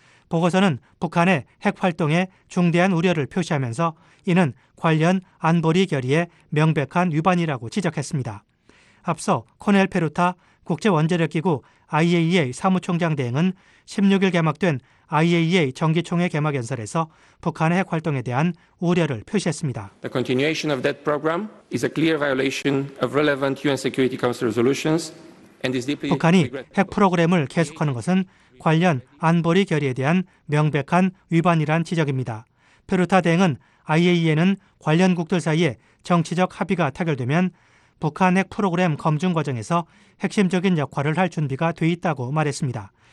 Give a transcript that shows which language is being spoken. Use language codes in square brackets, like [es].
[ko] 보고서는 북한의 핵 활동에 중대한 우려를 표시하면서 이는 관련 안보리 결의의 명백한 위반이라고 지적했습니다. 앞서 코넬 페루타 국제원자력기구 IAEA 사무총장 대행은 16일 개막된 IAEA 정기총회 개막 연설에서 북한의 핵 활동에 대한 우려를 표시했습니다. [en] The continuation of that program is a clear violation of relevant UN Security Council resolutions and is deeply [ko] 북한이 핵 프로그램을 계속하는 것은 관련 안보리 결의에 대한 명백한 위반이란 지적입니다. 페루타 대행은 IAEA는 관련국들 사이에 정치적 합의가 타결되면 북한 핵 프로그램 검증 과정에서 핵심적인 역할을 할 준비가 돼 있다고 말했습니다.